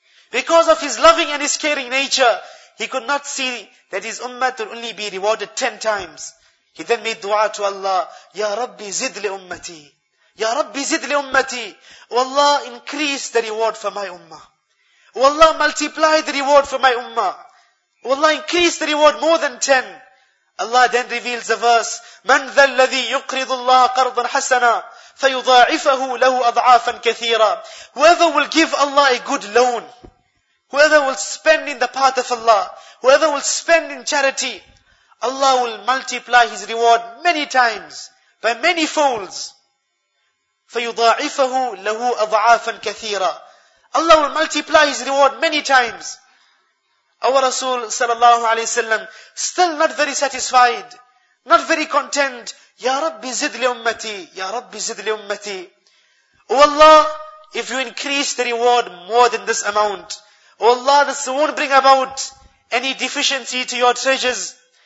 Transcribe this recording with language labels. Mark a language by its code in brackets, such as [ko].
[en] Because of his loving and his caring nature, he could not see that his ummah will only be rewarded 10 times. He then made dua to Allah, [ar] Ya Rabbi zid li ummati. Ya Rabbi zid li ummati. [en] O Allah, increase the reward for my ummah. O Allah, multiply the reward for my ummah. Wallah, increase the reward more than 10. Allah then reveals the verse, [ar] مَنْ ذَا الَّذِي يُقْرِضُ اللَّهَ قَرْضًا حَسَنًا فَيُضَاعِفَهُ لَهُ أَضْعَافًا كَثِيرًا. [en] Whoever will give Allah a good loan, whoever will spend in the path of Allah, whoever will spend in charity, Allah will multiply his reward many times, by many folds. [ar] فَيُضَاعِفَهُ لَهُ أَضْعَافًا كَثِيرًا. [en] Allah will multiply his reward many times. Our Rasul sallallahu alayhi wa sallam, still not very satisfied, not very content. [ar] Ya Rabbi zid li ummati, [en] Ya Rabbi zid li ummati. O Allah, if you increase the reward more than this amount, O Allah, this won't bring about any deficiency to your treasures.